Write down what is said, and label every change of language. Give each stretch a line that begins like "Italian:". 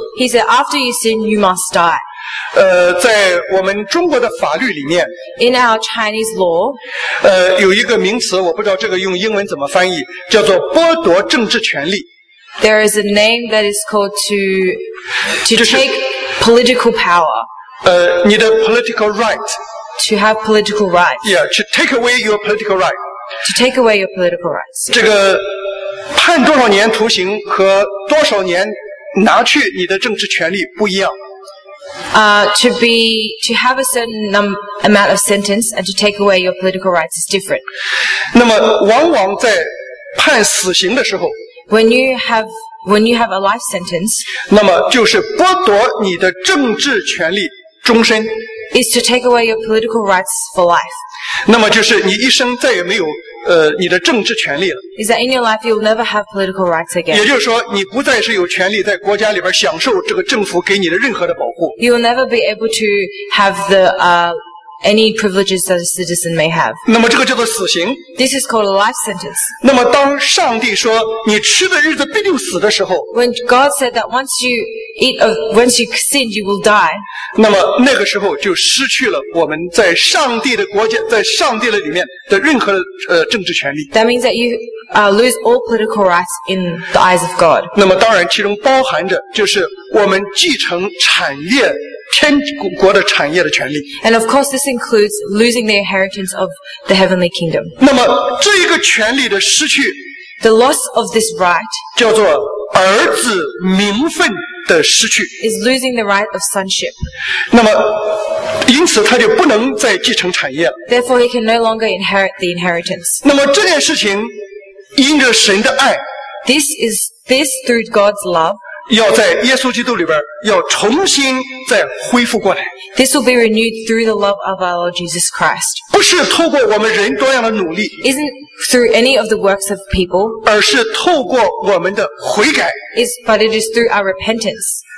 English: He said, after you sin, you must die.
Chinese: 在我们中国的法律里面
English: In our Chinese law,
Chinese: 有一个名词我不知道这个用英文怎么翻译叫做剥夺政治权利。
English: There is a name that is called to take political power.
Chinese: 你的
English: political right. To have political rights. Yeah, to take away your political right. To take away your political rights.
Chinese: 这个判多少年徒刑和多少年拿去你的政治权利不一样。
English: To have a certain amount of sentence and to take away your political rights is different.
Chinese: 那么往往在判死刑的时候
English: When you have a life sentence,
Chinese: 那么就是剥夺你的政治权利终身
English: is to take away your political rights for life.
Chinese: 那么就是你一生再也没有你的政治权利了
English: is that in your life you'll never have political rights again.
Chinese: 也就是说你不再是有权利在国家里边享受这个政府给你的任何的保护
English: You'll never be able to have the, any privileges that a citizen may have.
Chinese: 那么这个叫做死刑。
English: This is called a life sentence.
Chinese: 那么当上帝说你吃的日子必定死的时候
English: When God said that once you sin, you will die.
Chinese: 那么那个时候就失去了我们在上帝的国家在上帝的里面的任何政治权利。
English: That means that you lose all political rights in the eyes of God.
Chinese: 那么当然其中包含着就是我们继承产业天国的产业的权利。
English: And of course, this includes losing the inheritance of the heavenly kingdom.
Chinese: 那么这一个权利的失去
English: ，the loss of this right，
Chinese: 叫做儿子名分的失去
English: ，is losing the right of sonship.
Chinese: 那么因此他就不能再继承产业。
English: Therefore, he can no longer inherit the inheritance.
Chinese: 那么这件事情因着神的爱
English: ，this through God's love。
Chinese: 要在耶稣基督里边要重新再恢复过来。
English: This will be renewed through the love of our Lord Jesus Christ.
Chinese: 不是透过我们人多样的努力。
English: Isn't through any of the works of people.
Chinese: 而是透过我们的悔改。
English: But it is through our repentance.